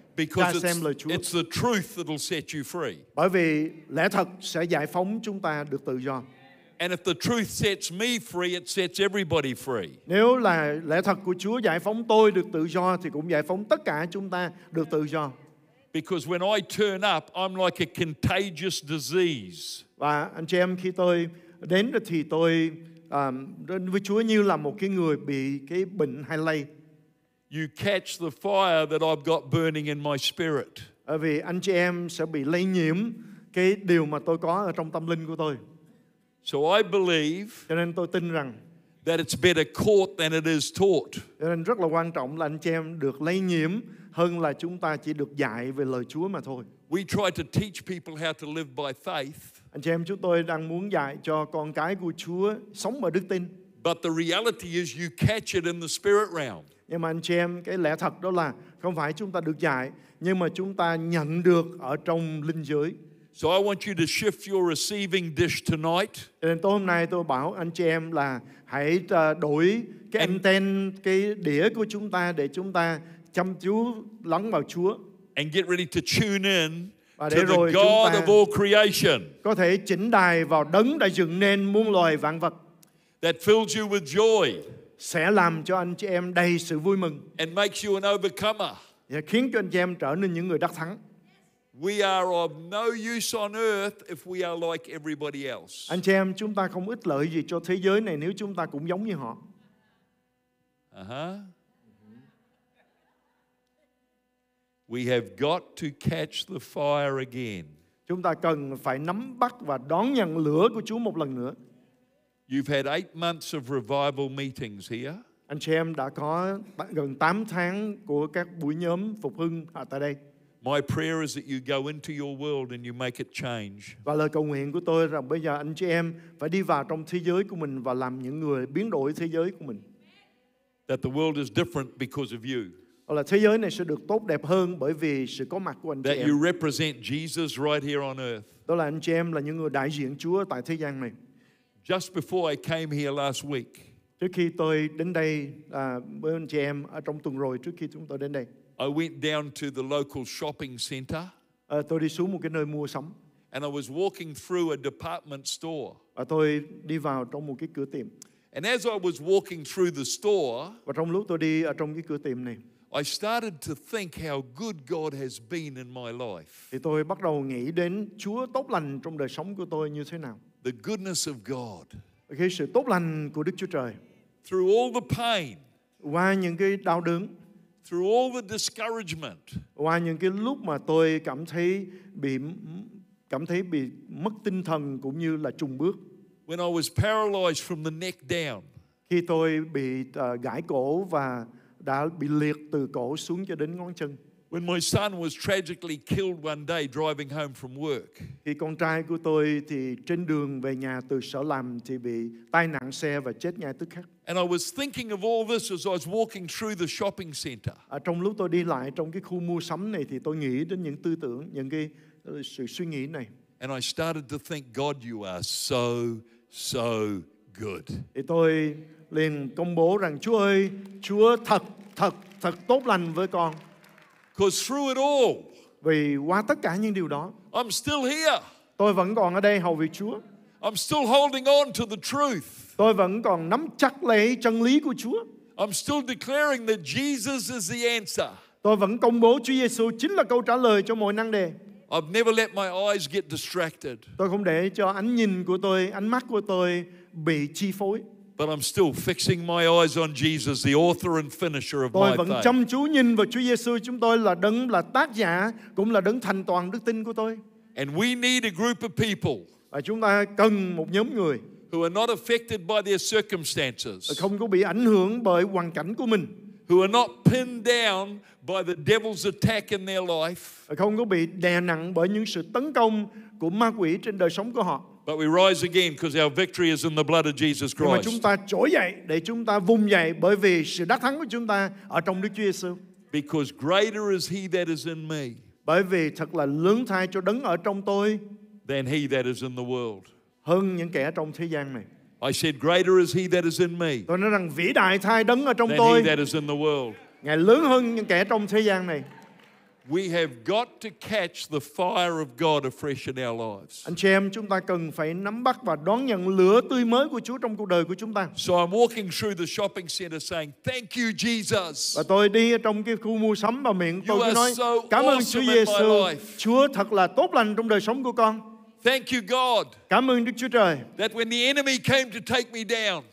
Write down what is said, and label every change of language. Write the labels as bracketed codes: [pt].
[en] Because it's the truth that'll set you free. [vi] Bởi vì lẽ thật sẽ giải phóng chúng ta được tự do. [en] And if the truth sets me free, it sets everybody free. [vi] Nếu là lẽ thật của Chúa giải phóng tôi được tự do thì cũng giải phóng tất cả chúng ta được tự do. [en] Because when I turn up, I'm like a contagious disease. [vi] Và anh chị em khi tôi đến thì tôi đến với Chúa như là một cái người bị cái bệnh hay lây. [en] You catch the fire that I've got burning in my spirit. [vi] Bởi vì anh chị em sẽ bị lây nhiễm cái điều mà tôi có ở trong tâm linh của tôi. [en] So I believe. [vi] Cho nên tôi tin rằng [en] that it's better caught than it is taught. [vi] Cho nên rất là quan trọng là anh chị em được lây nhiễm hơn là chúng ta chỉ được dạy về lời Chúa mà thôi. [en] We try to teach people how to live by faith. [vi] Anh chị em chúng tôi đang muốn dạy cho con cái của Chúa sống bởi đức tin. [en] But the reality is you catch it in the spirit realm. [vi] Nhưng mà anh chị em, cái lẽ thật đó là không phải chúng ta được dạy, nhưng mà chúng ta nhận được ở trong linh giới. [en] So I want you to shift your receiving dish tonight. [vi] Nên tối hôm nay tôi bảo anh chị em là hãy đổi cái anten, cái đĩa của chúng ta để chúng ta chăm chú lắng vào Chúa. [en] And get ready to tune in to the God of all creation. [vi] Có thể chỉnh đài vào đấng đã dựng nên muôn loài vạn vật. [en] That fills you with joy. [vi] Sẽ làm cho anh chị em đầy sự vui mừng. [en] And makes you an overcomer. [vi] Và khiến cho anh chị em trở nên những người đắc thắng. [en] We are of no use on earth if we are like everybody else. [vi] Anh chị em, chúng ta không ích lợi gì cho thế giới này nếu chúng ta cũng giống như họ. Uh-huh. [en] We have got to catch the fire again. [vi] Chúng ta cần phải nắm bắt và đón nhận lửa của Chúa một lần nữa. [en] You've had 8 months of revival meetings here. [vi] Anh chị em đã có gần 8 tháng của các buổi nhóm phục hưng ở tại đây. [en] My prayer is that you go into your world and you make it change. [vi] Và lời cầu nguyện của tôi rằng bây giờ anh chị em phải đi vào trong thế giới của mình và làm những người biến đổi thế giới của mình. [en] That the world is different because of you. [vi] Là thế giới này sẽ được tốt đẹp hơn bởi vì sự có mặt của anh chị [en] That you represent Jesus right here on earth. [vi] Đó là anh chị em là những người đại diện Chúa tại thế gian này. [en] Just before I came here last week. [vi] Trước khi tôi đến đây với anh chị em ở trong tuần rồi trước khi chúng tôi đến đây. [en] I went down to the local shopping center. [vi] Tôi đi xuống một cái nơi mua sắm. [en] And I was walking through a department store. [vi] Và tôi đi vào trong một cái cửa tiệm. [en] And as I was walking through the store, [vi] và trong lúc tôi đi ở trong cái cửa tiệm này, [en] I started to think how good God has been in my life. [vi] Thì tôi bắt đầu nghĩ đến Chúa tốt lành trong đời sống của tôi như thế nào. [en] The goodness of God. [vi] Cái sự tốt lành của Đức Chúa Trời. [en] Through all the pain. [vi] Qua những cái đau đớn. [en] Through all the discouragement. [vi] Qua những cái lúc mà tôi cảm thấy bị mất tinh thần cũng như là chùn bước. [en] When I was paralyzed from the neck down. [vi] Khi tôi bị gãy cổ và đã bị liệt từ cổ xuống cho đến ngón chân. [en] When my son was tragically killed one day driving home from work. [vi] Khi con trai của tôi thì trên đường về nhà từ sở làm thì bị tai nạn xe và chết ngay tức khắc. [en] And I was thinking of all this as I was walking through the shopping center. [vi] Trong lúc tôi đi lại trong cái khu mua sắm này thì tôi nghĩ đến những tư tưởng, những cái sự suy nghĩ này. [en] And I started to think, God, you are so, so good. [vi] Thì tôi liền công bố rằng Chúa ơi, Chúa thật, thật, thật tốt lành với con. [en] Because through it all, [vi] vì qua tất cả những điều đó, [en] I'm still here. [vi] Tôi vẫn còn ở đây hầu việc Chúa. [en] I'm still holding on to the truth. [vi] Tôi vẫn còn nắm chặt lấy chân lý của Chúa. [en] I'm still declaring that Jesus is the answer. [vi] Tôi vẫn công bố Chúa Giêsu chính là câu trả lời cho mọi nan đề. [en] I've never let my eyes get distracted. [vi] Tôi không để cho ánh nhìn của tôi, ánh mắt của tôi bị chi phối. [en] But I'm still fixing my eyes on Jesus, the author and finisher of my faith. [vi] Tôi vẫn chăm chú nhìn vào Chúa Giêsu, chúng tôi là đấng là tác giả cũng là đấng thành toàn đức tin của tôi. [en] And we need a group of people. [vi] Và chúng ta cần một nhóm người [en] who are not affected by their circumstances. [vi] Không có bị ảnh hưởng bởi hoàn cảnh của mình. [en] Who are not pinned down by the devil's attack in their life. [vi] Không có bị đè nặng bởi những sự tấn công của ma quỷ trên đời sống của họ. [en] But we rise again because our victory is in the blood of Jesus Christ. [vi] Nhưng mà chúng ta trỗi dậy để chúng ta vùng dậy bởi vì sự đắc thắng của chúng ta ở trong Đức Chúa Giêsu. [en] Because greater is he that is in me. [vi] Bởi vì thật là lớn thay cho đấng ở trong tôi. [en] Than he that is in the world. [vi] Hơn những kẻ trong thế gian này. [en] I said greater is he that is in me. [vi] Tôi nói rằng vĩ đại thay đấng ở trong [en] than [vi] tôi. [en] He that is in the world. [vi] Ngài lớn hơn những kẻ trong thế gian này. [en] We have got to catch the fire of God afresh in our lives. [vi] Anh chị em, chúng ta cần phải nắm bắt và đón nhận lửa tươi mới của Chúa trong cuộc đời của chúng ta. [en] So I'm walking through the shopping center saying, "Thank you, Jesus." [vi] Và tôi đi trong cái khu mua sắm và miệng tôi cứ nói, "Cảm ơn Chúa Giêsu. Chúa thật là tốt lành trong đời sống của con." [en] Thank you, God. [vi] Cảm ơn Đức Chúa Trời. [en] That when the enemy came to take me down.